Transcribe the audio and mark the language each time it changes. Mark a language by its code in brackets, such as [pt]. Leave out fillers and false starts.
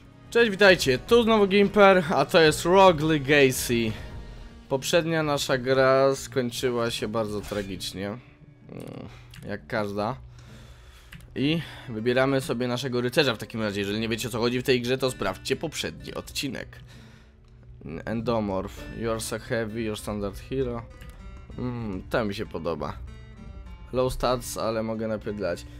[pl] Cześć, witajcie, tu znowu Gimper, a to jest Rogue Legacy. Poprzednia nasza gra skończyła się bardzo tragicznie, jak każda. I wybieramy sobie naszego rycerza w takim razie. Jeżeli nie wiecie, co chodzi w tej grze, to sprawdźcie poprzedni odcinek. [en] Endomorph, you're so heavy, your standard hero. [pl] To mi się podoba. [en] Low stats, [pl] ale mogę napierdlać.